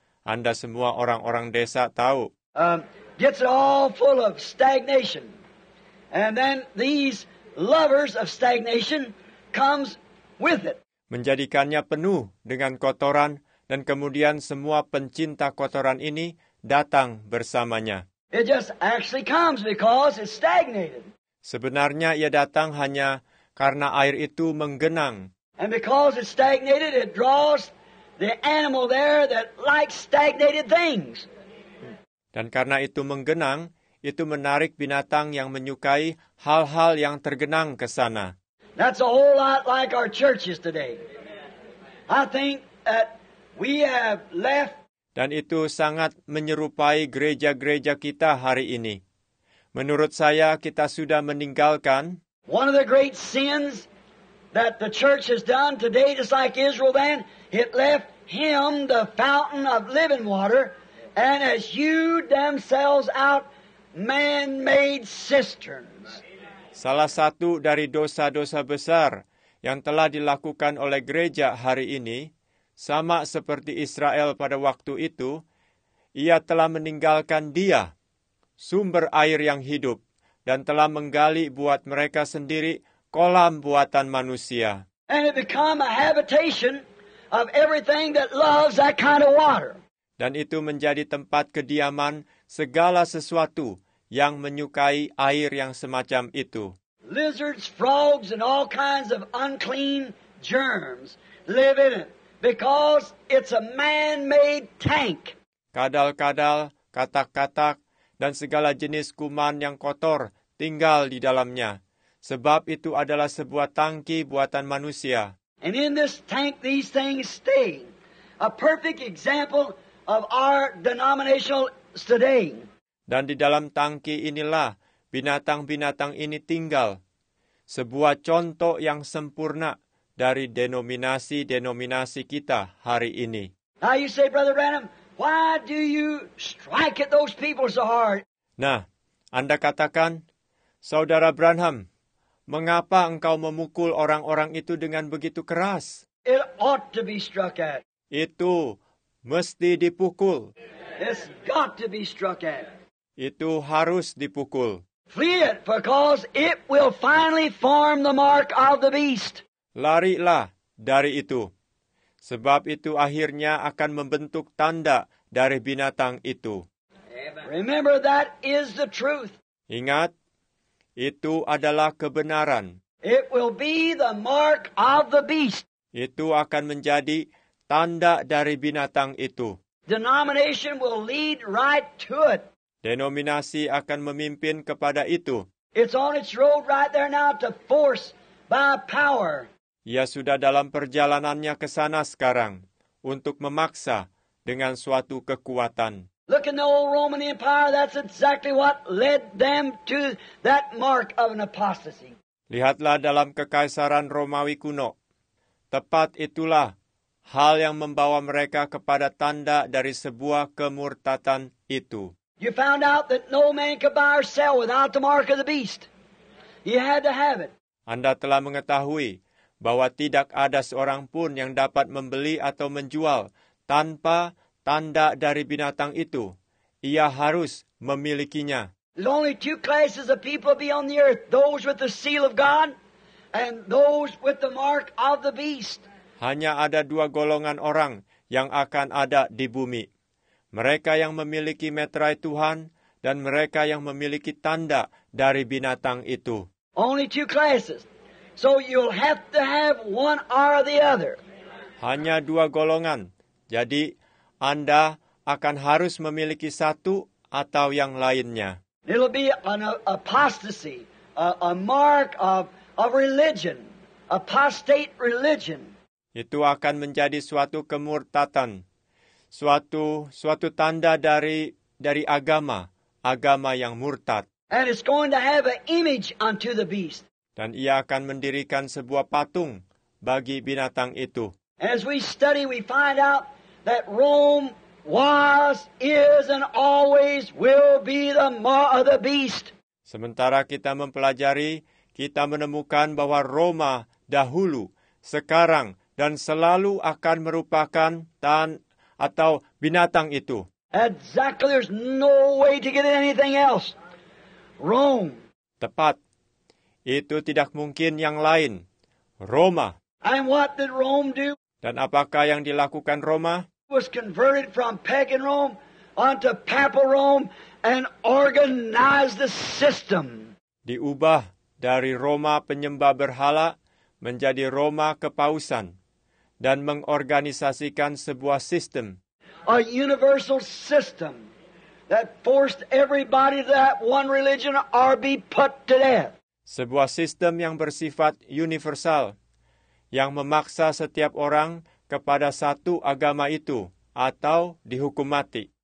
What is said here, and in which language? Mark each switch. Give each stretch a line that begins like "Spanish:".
Indonesian: Anda semua orang-orang desa tahu.
English: Gets it all full of stagnation. And then these lovers of stagnation comes with it.
Indonesian: Menjadikannya penuh dengan kotoran dan kemudian semua pencinta kotoran ini datang bersamanya.
English: It just actually comes because it's stagnated.
Indonesian: Sebenarnya ia datang hanya karena air itu menggenang.
English: And because it's stagnated, it draws the animal there that likes stagnated things.
Indonesian: Dan karena itu menggenang, itu menarik binatang yang menyukai hal-hal yang tergenang ke sana.
English: That's a whole lot like our churches today. I think that we have left.
Indonesian: Dan itu sangat menyerupai gereja-gereja kita hari ini. Menurut saya, kita sudah meninggalkan.
English: One of the great sins that the church has done today, just like Israel then, it left him the fountain of living water and has hewed themselves out man-made cisterns.
Indonesian: Salah satu dari dosa-dosa besar yang telah dilakukan oleh gereja hari ini, sama seperti Israel pada waktu itu, ia telah meninggalkan Dia, sumber air yang hidup, dan telah menggali buat mereka sendiri kolam buatan manusia.
English: And it became a habitation of everything that loves that kind of water.
Indonesian: Dan itu menjadi tempat kediaman segala sesuatu yang menyukai air yang semacam itu.
English: Lizards, frogs, and all kinds of unclean germs live in it because it's a man-made tank.
Indonesian: Kadal-kadal, katak-katak, dan segala jenis kuman yang kotor tinggal di dalamnya, sebab itu adalah sebuah tangki buatan manusia.
English: And in this tank, these things stay. A perfect example of our denominational today.
Indonesian: Dan di dalam tangki inilah binatang-binatang ini tinggal. Sebuah contoh yang sempurna dari denominasi-denominasi kita hari ini.
English: Now you say, Brother Branham, why do you strike at those people so hard?
Indonesian: Nah, Anda katakan, Saudara Branham, mengapa engkau memukul orang-orang itu dengan begitu keras?
English: It ought to be struck at.
Indonesian: Itu mesti dipukul.
English: It's got to be struck at.
Indonesian: Itu harus dipukul.
English: Flee it, because it will finally form the mark of the beast.
Indonesian: Larilah dari itu, sebab itu akhirnya akan membentuk tanda dari binatang itu.
English: Remember, that is the truth.
Indonesian: Ingat, itu adalah kebenaran.
English: It will be the mark of the beast.
Indonesian: Itu akan menjadi tanda dari binatang itu.
English: Denomination will lead right to it.
Indonesian: Denominasi akan memimpin kepada itu.
English: It's on its road right there now to force by power.
Indonesian: Ia sudah dalam perjalanannya ke sana sekarang untuk memaksa dengan suatu kekuatan.
English: Look in the old Roman Empire, that's exactly what led them to that mark of an apostasy.
Indonesian: Lihatlah dalam kekaisaran Romawi kuno. Tepat itulah hal yang membawa mereka kepada tanda dari sebuah kemurtadan itu.
English: You found out that no man could buy or sell without the mark of the beast. He had to have it.
Indonesian: Anda telah mengetahui bahwa tidak ada seorang pun yang dapat membeli atau menjual tanpa tanda dari binatang itu. Ia harus memilikinya.
English: There's only two classes of people be on the earth, those with the seal of God and those with the mark of the beast.
Indonesian: Hanya ada dua golongan orang yang akan ada di bumi. Mereka yang memiliki meterai Tuhan dan mereka yang memiliki tanda dari binatang itu.
English: Only two classes. So you'll have to have one or the other.
Indonesian: Hanya dua golongan. Jadi Anda akan harus memiliki satu atau yang lainnya.
English: It'll be an apostasy, a mark of religion, apostate religion.
Indonesian: Itu akan menjadi suatu kemurtadan. Suatu tanda dari agama yang murtad.
English: And it's going to have an image unto the beast.
Indonesian: Dan ia akan mendirikan sebuah patung bagi binatang itu.
English: As we study, we find out that Rome was, is, and always will be the mark of the beast.
Indonesian: Sementara kita mempelajari, kita menemukan bahwa Roma dahulu, sekarang, dan selalu akan merupakan atau binatang itu.
English: Exactly, there's no way to get anything else. Rome.
Indonesian: Tepat. Itu tidak mungkin yang lain. Roma.
English: And what did Rome do?
Indonesian: Dan apakah yang dilakukan Roma?
English: Was converted from pagan Rome onto papal Rome and organized the system.
Indonesian: Diubah dari Roma penyembah berhala menjadi Roma kepausan. dan mengorganisasikan sebuah sistem.
English: A universal system that forced everybody to that one religion or be put to death.
Indonesian: Sebuah sistem yang bersifat universal, yang memaksa setiap orang kepada satu agama itu, atau dihukum mati.